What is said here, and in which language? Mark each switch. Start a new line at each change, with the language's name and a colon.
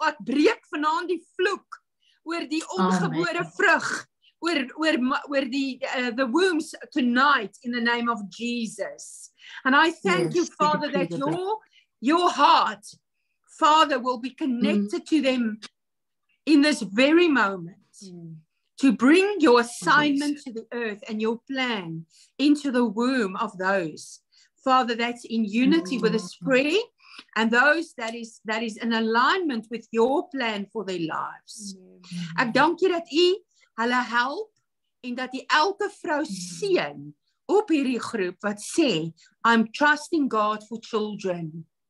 Afrikaans: Ek breek vanaand die vloek oor die ongebore vrug.
English: Oor the wombs tonight in the name of Jesus. And I thank you, Father, that your your heart, Father, will be connected to them in this very moment to bring your assignment to the earth and your plan into the womb of those, Father, that's in unity with the spread and those that is in alignment with your plan for their lives.
Afrikaans: Ek dank jy dat jy hulle help en dat jy elke vrou seën op hierdie groep wat sê,
English: I'm trusting God for children.